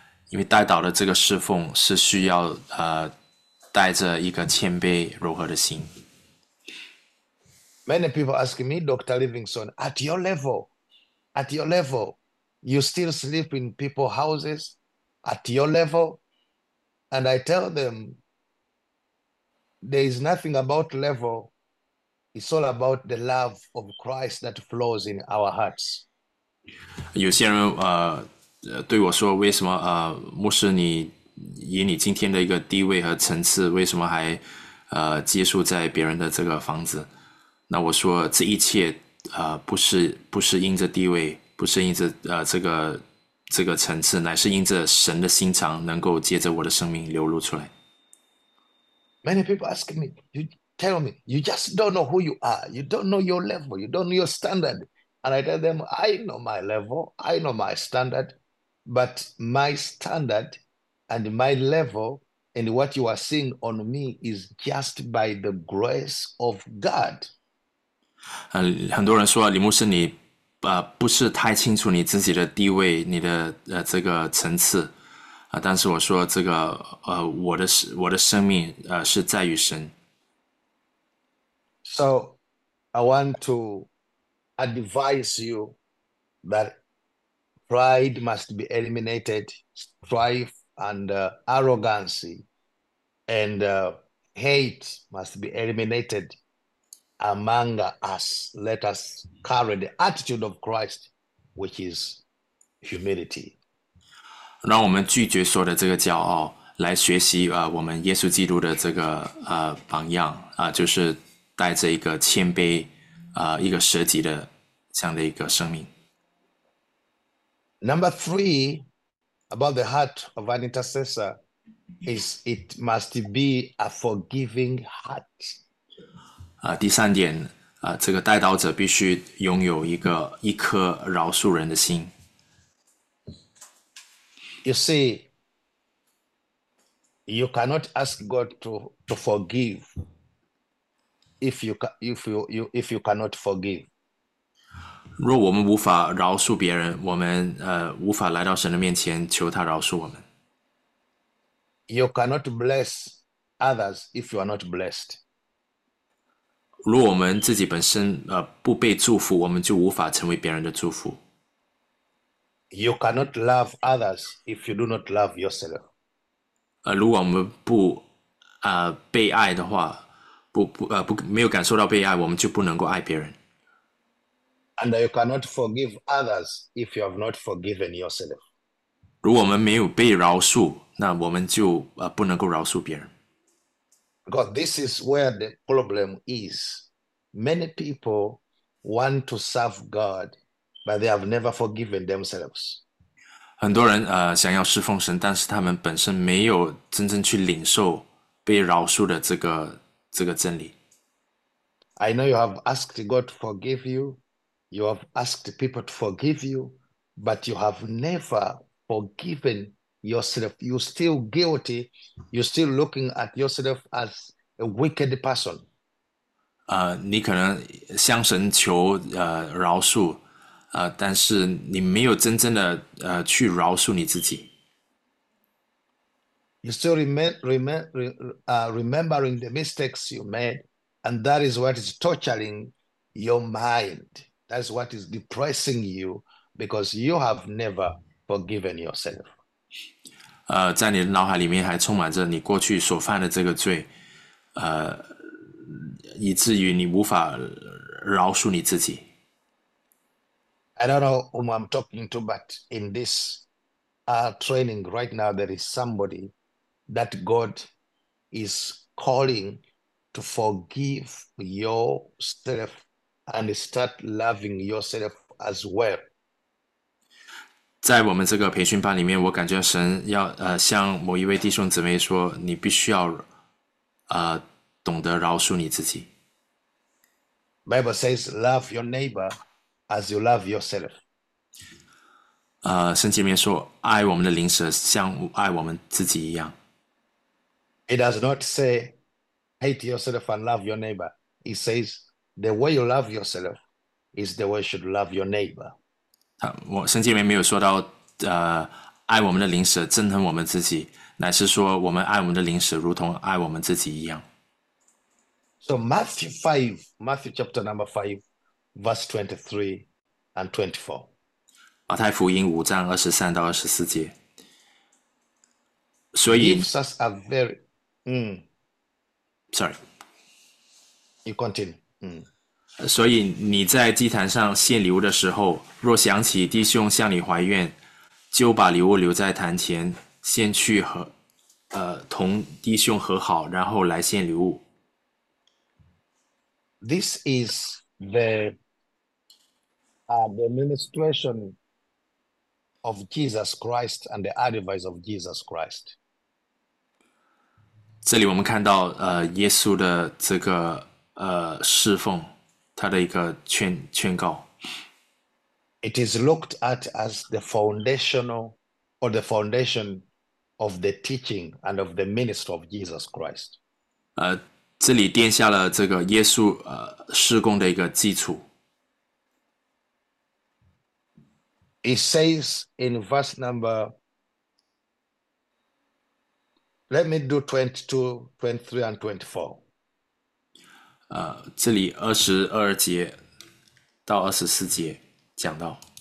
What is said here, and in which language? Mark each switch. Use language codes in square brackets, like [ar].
[zh] 因为代祷的这个侍奉是需要带着一个谦卑柔和的心。 [en] Many people ask me, Dr. Livingstone, at your level, you still sleep in people's houses at your level? And I tell them, there is nothing about level. It's all about the love of Christ that flows in our hearts. [zh] 有些人对我说：“为什么牧师你以你今天的一个地位和层次，为什么还寄宿在别人的这个房子？” 那我说：“这一切不是因着地位，不是因着这个层次，乃是因着神的心肠能够借着我的生命流露出来。 ” [en] Many people ask me, you tell me, you just don't know who you are. You don't know your level. You don't know your standard. And I tell them, I know my level. I know my standard. But my standard and my level and what you are seeing on me is just by the grace of God. [zh] 很多人说，李牧师你，不是太清楚你自己的地位，你的这个层次，但是我说这个，我的生命，是在于神。 [en] So, I want to advise you that pride must be eliminated, strife and arrogance and hate must be eliminated among us. Let us carry the attitude of Christ, which is humility. [zh] 让我们拒绝所有的这个骄傲，来学习我们耶稣基督的这个榜样就是带着一个谦卑一个舍己的这样的一个生命。 [en] Number three, about the heart of an intercessor, is it must be a forgiving heart. [zh] 第三点这个代祷者必须拥有一颗饶恕人的心。 [en] You see, You cannot ask God to forgive if you cannot forgive. [zh] 若我们无法饶恕别人，我们无法来到神的面前求他饶恕我们。 [en] You cannot bless others if you are not blessed. [zh] 如果我们自己本身不被祝福，我们就无法成为别人的祝福。 [en] You cannot love others if you do not love yourself. [zh] 如果我们不被爱的话，不没有感受到被爱，我们就不能够爱别人。 [en] And you cannot forgive others if you have not forgiven yourself. [zh] 如果我们没有被饶恕，那我们就不能够饶恕别人。 [en] Because this is where the problem is. Many people want to serve God, but they have never forgiven themselves. [zh] 很多人想要侍奉神，但是他们本身没有真正去领受被饶恕的这个真理。 [en] I know you have asked God to forgive you. You have asked people to forgive you, but you have never forgiven yourself. You're still guilty. You're still looking at yourself as a wicked person. [zh] 你可能向神求饶恕。但是你没有真正的去饶恕你自己。 [en] You're still remembering the mistakes you made, and that is what is torturing your mind. That's what is depressing you because you have never forgiven yourself. [zh] 在你的脑海里面还充满着你过去所犯的这个罪，以至于你无法饶恕你自己。 [en] I don't know whom I'm talking to, but in this training right now, there is somebody that God is calling to forgive yourself and start loving yourself as well. [zh] 在我们这个培训班里面，我感觉神要向某一位弟兄姊妹说，你必须要懂得饶恕你自己。 [en] Bible says, love your neighbor as you love yourself. [zh] 圣经里面说，爱我们的邻舍像爱我们自己一样。 [en] It does not say hate yourself and love your neighbor. It says the way you love yourself is the way you should love your neighbor. [zh] 我圣经里面没有说到，爱我们的邻舍，憎恨我们自己，乃是说我们爱我们的邻舍，如同爱我们自己一样。 [en] So Matthew chapter number 5, verse 23 and 24. [zh] 马太福音5:23-24，所以 [en] Gives us a very ，sorry。 You continue. [zh] 所以你在祭坛上献礼物的时候，若想起弟兄向你怀怨，就把礼物留在坛前，先去和，同弟兄和好，然后来献礼物。 [en] This is the ministration of Jesus Christ and the advice of Jesus Christ. [zh] 这里我们看到，耶稣的这个侍奉。他的一个劝告。 [en] It is looked at as the foundational or the foundation of the teaching and of the ministry of Jesus Christ. [zh] 这里奠下了这个耶稣施工的一个基础。 [en] It says in verse number, let me do 22, 23, and 24. [zh] 这里22节到24节讲到，